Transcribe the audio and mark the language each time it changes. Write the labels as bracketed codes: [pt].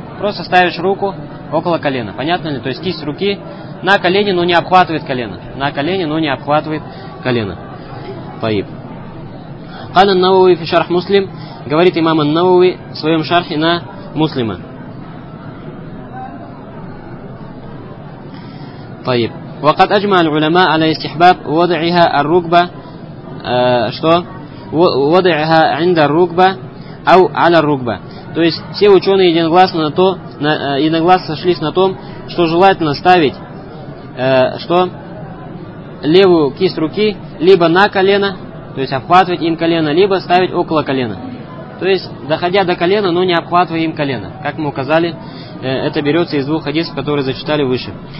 [ru] Просто ставишь руку около колена. Понятно ли? То есть кисть руки на колени, но не обхватывает колено. На колени, но не обхватывает колено. Таиб. [ar] قال النووي في شرح مسلم, [ru] говорит имам ан-Науви в своем шархе на Муслима. [ar] طيب. وقد اجمع العلماء على استحباب وضعها الركبه [ru] что [ar] وضعها عند الركبه او على الركبه. [ru] То есть все ученые единогласно сошлись на том, что желательно ставить что левую кисть руки либо на колено, то есть обхватывать им колено, либо ставить около колена. То есть, доходя до колена, но не обхватывая им колено. Как мы указали, это берется из двух хадисов, которые зачитали выше.